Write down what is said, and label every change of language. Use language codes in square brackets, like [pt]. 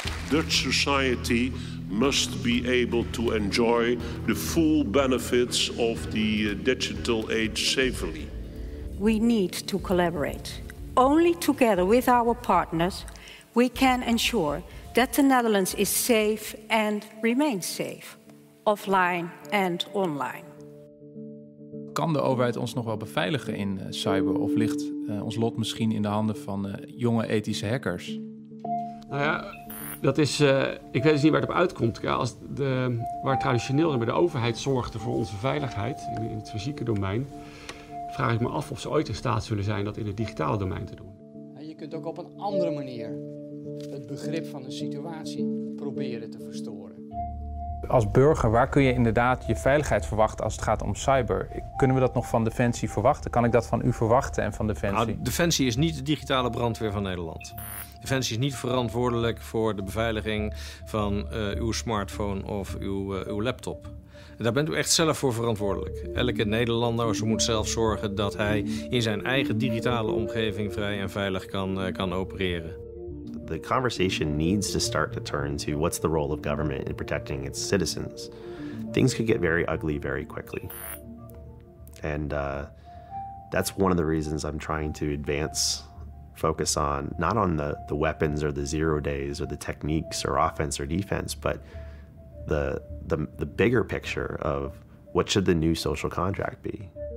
[en] Dutch society must be able to enjoy the full benefits of the digital age safely. We need to collaborate. Only together with our partners, we can ensure that the Netherlands is safe and remains safe, offline and online. [nl] Kan de overheid ons nog wel beveiligen in cyber, of ligt ons lot misschien in de handen van jonge ethische hackers? Nou ja, dat is. Ik weet dus niet waar het op uitkomt. Als waar traditioneel de overheid zorgde voor onze veiligheid in het fysieke domein, vraag ik me af of ze ooit in staat zullen zijn dat in het digitale domein te doen. En je kunt ook op een andere manier het begrip van de situatie proberen te verstoren. Als burger, waar kun je inderdaad je veiligheid verwachten als het gaat om cyber? Kunnen we dat nog van Defensie verwachten? Kan ik dat van u verwachten en van Defensie? Nou, Defensie is niet de digitale brandweer van Nederland. Defensie is niet verantwoordelijk voor de beveiliging van uw smartphone of uw laptop. En daar bent u echt zelf voor verantwoordelijk. Elke Nederlander moet zelf zorgen dat hij in zijn eigen digitale omgeving vrij en veilig kan opereren. [en] The conversation needs to start to turn to what's the role of government in protecting its citizens. Things could get very ugly very quickly. And that's one of the reasons I'm trying to advance focus on, not on the weapons or the zero days or the techniques or offense or defense, but the bigger picture of what should the new social contract be.